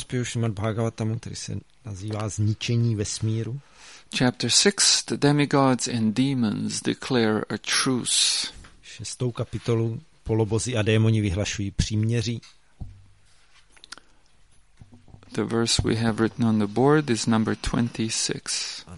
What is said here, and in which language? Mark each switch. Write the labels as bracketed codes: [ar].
[cs] zpěvu Srimad Bhagavatam, který se nazývá Zničení vesmíru. [en] Chapter 6, the demigods and demons declare a truce. [cs] 6. kapitolu, polobozy a démoni vyhlašují příměří. [en] The verse we have written on the board is number 26.